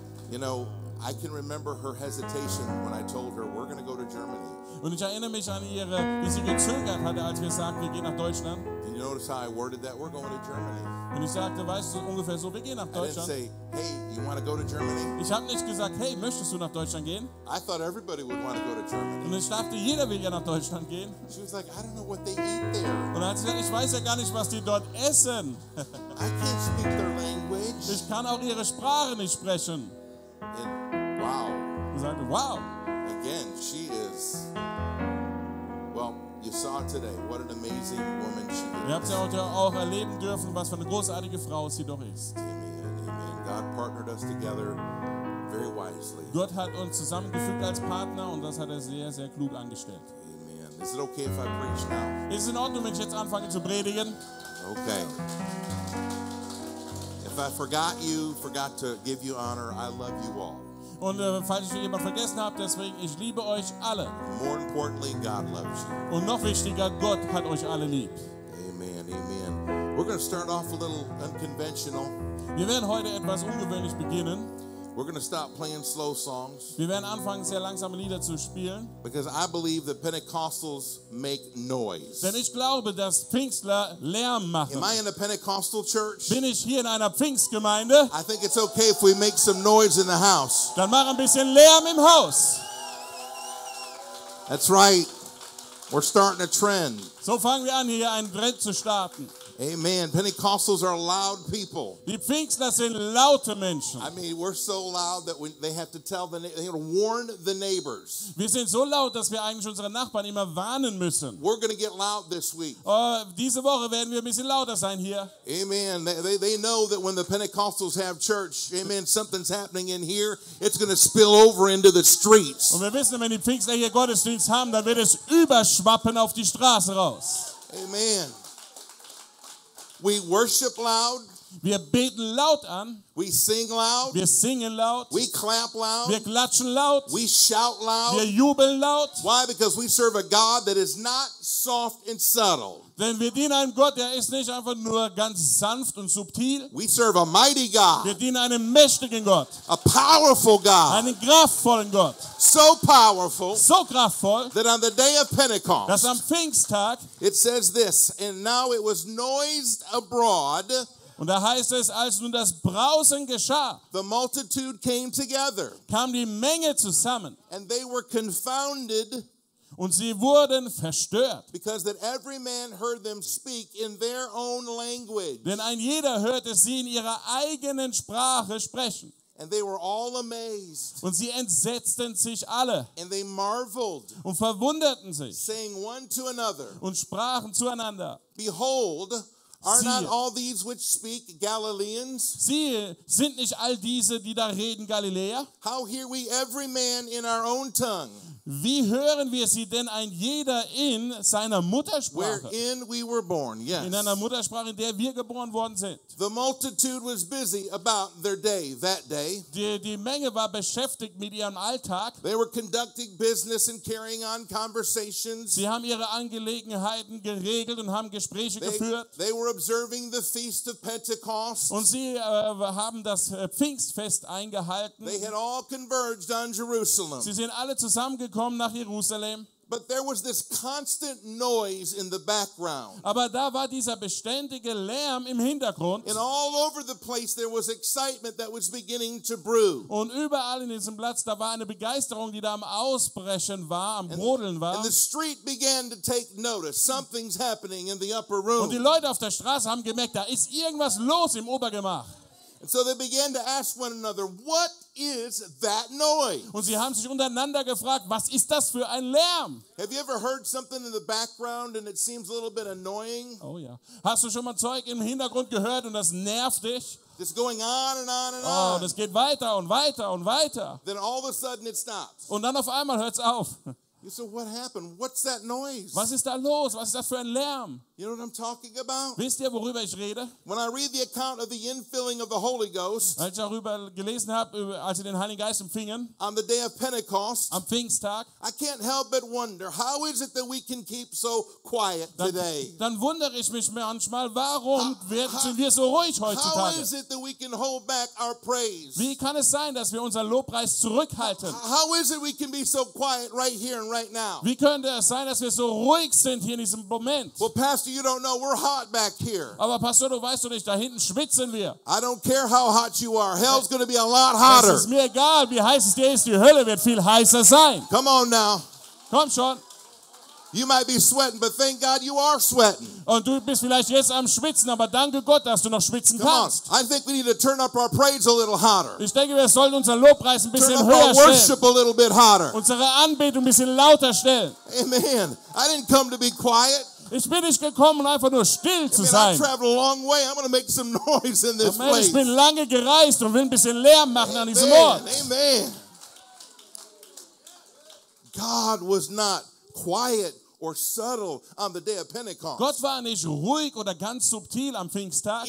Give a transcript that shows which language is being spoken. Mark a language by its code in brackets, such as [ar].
[en] You know, I can remember her hesitation when I told her we're going to go to Germany. [de] Und ich erinnere mich an ihre, wie sie gezögert hatte, als wir sagten, wir gehen nach Deutschland. [en] Did you notice how I worded that? We're going to Germany. [de] Und ich sagte, weißt du, ungefähr so, wir gehen nach Deutschland. [en] I didn't say, hey, you want to go to Germany? [de] Ich habe nicht gesagt, hey, möchtest du nach Deutschland gehen? [en] I thought everybody would want to go to Germany. [de] Und ich dachte, jeder will ja nach Deutschland gehen. [en] She was like, I don't know what they eat there. [de] Und hat sie gesagt, ich weiß ja gar nicht, was die dort essen. [en] I can't speak their language. [de] Ich kann auch ihre Sprache nicht sprechen. [en] And wow. [de] Ich sagte, wow. [en] Again, she is. Well, you saw today what an amazing woman she is. [de] Ihr habt ja heute auch erleben dürfen, was für eine großartige Frau sie doch ist. [en] Amen, amen. God partnered us together very wisely. [de] Gott hat uns zusammengefügt als Partner und das hat er sehr, sehr klug angestellt. [en] Amen. Is it okay if I preach now? [de] Ist es in Ordnung, wenn ich jetzt anfange zu predigen? [en] Okay. If I forgot you, forgot to give you honor, I love you all. [de] Und falls ich jemanden vergessen habe, deswegen, ich liebe euch alle. [en] More importantly, God loves you. [de] Und noch wichtiger, Gott hat euch alle lieb. [en] Amen, amen. We're going to start off a little unconventional. [de] Wir werden heute etwas ungewöhnlich beginnen. [en] We're going to stop playing slow songs. [de] Wir werden anfangen, sehr langsame Lieder zu spielen. [en] Because I believe that Pentecostals make noise. [de] Denn ich glaube, dass Pfingstler Lärm machen. [en] Am I in a Pentecostal church? [de] Bin ich hier in einer Pfingstgemeinde? [en] I think it's okay if we make some noise in the house. [de] Dann mach ein bisschen Lärm im Haus. [en] That's right. We're starting a trend. [de] So fangen wir an, hier einen Trend zu starten. [en] Amen. Pentecostals are loud people. [de] Die Pfingstler sind laute Menschen. [en] I mean, we're so loud that they have to tell the they have to warn the neighbors. [de] Wir sind so laut, dass wir eigentlich unsere Nachbarn immer warnen müssen. [en] We're going to get loud this week. [de] Diese Woche werden wir ein bisschen lauter sein hier. [en] Amen. They know that when the Pentecostals have church, amen, something's happening in here. It's going to spill over into the streets. [de] Und wir wissen, wenn die Pfingstler hier Gottesdienst haben, dann wird es überschwappen auf die Straße raus. [en] Amen. We worship loud. [de] Wir beten laut an. [en] We sing loud. [de] Wir singen laut. [en] We clap loud. [de] Wir klatschen laut. [en] We shout loud. [de] Wir jubeln laut. [en] Why? Because we serve a God that is not soft and subtle. [de] Denn wir dienen einem Gott, der ist nicht einfach nur ganz sanft und subtil. [en] We serve a mighty God. [de] Wir dienen einem mächtigen Gott. [en] A powerful God. [de] Einen kraftvollen Gott. [en] So powerful. [de] So kraftvoll. [en] That on the day of Pentecost. [de] Dass am Pfingsttag. [en] It says this, and now it was noised abroad. [de] Und da heißt es, als nun das Brausen geschah, [en] the multitude came together, [de] kam die Menge zusammen, [en] and they were confounded, [de] und sie wurden verstört, [en] because that every man heard them speak in their own language, [de] denn ein jeder hörte sie in ihrer eigenen Sprache sprechen. [en] And they were all amazed. [de] Und sie entsetzten sich alle. [en] And they marveled. [de] Und verwunderten sich. [en] Saying one to another. [de] Und sprachen zueinander. [en] Behold, are not all these which speak Galileans? [de] Siehe, sind nicht all diese, die da reden, Galiläer? [en] How hear we every man in our own tongue? [de] Wie hören wir sie denn ein jeder in seiner Muttersprache? [en] Wherein we were born, yes. [de] In einer Muttersprache, in der wir geboren worden sind. [en] The multitude was busy about their day, that day. [de] Die Menge war beschäftigt mit ihrem Alltag. [en] They were conducting business and carrying on conversations. [de] Sie haben ihre Angelegenheiten geregelt und haben Gespräche geführt. [en] They were observing the feast of Pentecost. [de] Und sie haben das Pfingstfest eingehalten. [en] They had all converged on Jerusalem. [de] Sie sind alle zusammengekommen nach Jerusalem. [en] But there was this constant noise in the background. [de] Aber da war dieser beständige Lärm im Hintergrund. [en] And all over the place there was excitement that was beginning to brew. [de] Und überall in diesem Platz da war eine Begeisterung, die da am Ausbrechen war, am Brodeln war. [en] And the street began to take notice. Something's happening in the upper room. [de] Und die Leute auf der Straße haben gemerkt, da ist irgendwas los im Obergemach. [en] And so they began to ask one another, what is that noise? [de] Und sie haben sich untereinander gefragt, was ist das für ein Lärm? [en] Have you ever heard something in the background and it seems a little bit annoying? [de] Oh ja. Hast du schon mal Zeug im Hintergrund gehört und das nervt dich? [en] It's going on and on and on. [de] Oh, das geht weiter und weiter und weiter. [en] Then all of a sudden it stops. [de] Und dann auf einmal hört's auf. [en] You say, what happened? What's that noise? [de] Was ist da los? Was ist das für ein Lärm? [en] You know what I'm talking about? [de] Wisst ihr, worüber ich rede? [en] When I read the account of the infilling of the Holy Ghost, [de] als ich darüber gelesen habe, als sie den Heiligen Geist empfingen, [en] on the day of Pentecost, [de] am Pfingsttag, [en] I can't help but wonder, how is it that we can keep so quiet today? [de] Dann wundere ich mich manchmal, warum sind wir so ruhig heutzutage? [en] How is it that we can hold back our praise? [de] Wie kann es sein, dass wir unseren Lobpreis zurückhalten? [en] How is it we can be so quiet right here and right now? [de] Wie könnte es sein, dass wir so ruhig sind hier in diesem Moment? [en] Well, Pastor, you don't know, we're hot back here. [de] Aber Pastor, du weißt doch nicht, da hinten schwitzen wir. [en] I don't care how hot you are. Hell's going to be a lot hotter. [de] Es ist mir egal, wie heiß es dir ist. Die Hölle wird viel heißer sein. [en] Come on now. [de] Komm schon. [en] You might be sweating, but thank God you are sweating. [de] Und du bist vielleicht jetzt am Schwitzen, aber danke Gott, dass du noch schwitzen kannst. [en] Come on. I think we need to turn up our praise a little hotter. [de] Ich denke, wir sollten unseren Lobpreis ein bisschen höher stellen. [en] Turn up our worship a little bit hotter. [de] Unsere Anbetung ein bisschen lauter stellen. [en] Amen. I didn't come to be quiet. [de] Ich bin nicht gekommen, einfach nur still zu sein. Ich bin lange gereist und will ein bisschen Lärm machen [en] Amen. [de] An diesem Ort. [en] Amen. God was not quiet or subtle on the day of Pentecost. [de] Gott war nicht ruhig oder ganz subtil am Pfingsttag.